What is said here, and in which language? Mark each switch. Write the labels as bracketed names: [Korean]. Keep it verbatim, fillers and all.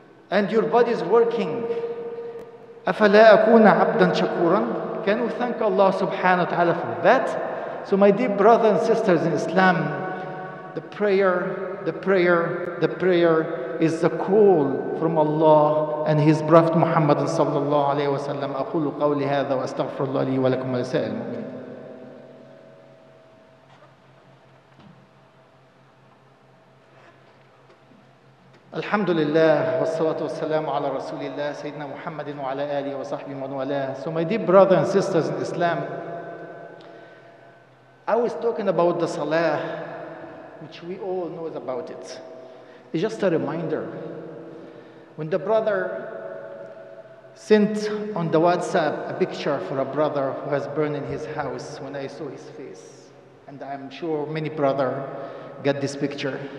[English] And your body is working. [Arabic] أَفَلَا أَكُونَ عَبْدًا شَكُورًا. [English] Can we thank Allah subhanahu wa ta'ala for that? So my dear brothers and sisters in Islam, the prayer, the prayer, the prayer is the call from Allah and His Prophet Muhammad sallallahu alayhi wa sallam. [Arabic] أقول قولي هذا وأستغفر الله لي ولكم ولسائر المؤمنين. الحمد لله والصلاة والسلام على رسول الله سيدنا محمد وعلى آله وصحبه ومن والاه. [English] So my dear brothers and sisters in Islam, I was talking about the Salah, which we all know about it. It's just a reminder. When the brother sent on the WhatsApp a picture for a brother who has burned in his house, when I saw his face, and I'm sure many brother got this picture.